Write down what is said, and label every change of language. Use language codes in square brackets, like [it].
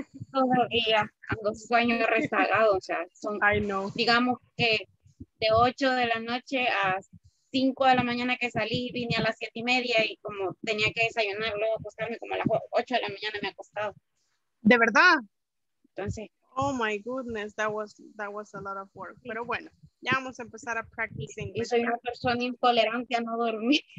[es] Todavía, tengo sueño rezagado. O sea, son, [en] I know. [es] Digamos que de 8 de la noche a 5 de la mañana que salí, vine a las 7 y media y como tenía que desayunar, luego acostarme, como a las 8 de la mañana me he acostado. ¿De verdad? Entonces. [en] Oh my goodness, that was a lot of work. Sí. [es] Pero bueno, ya vamos a empezar a practicing. Y soy una persona intolerante a no dormir.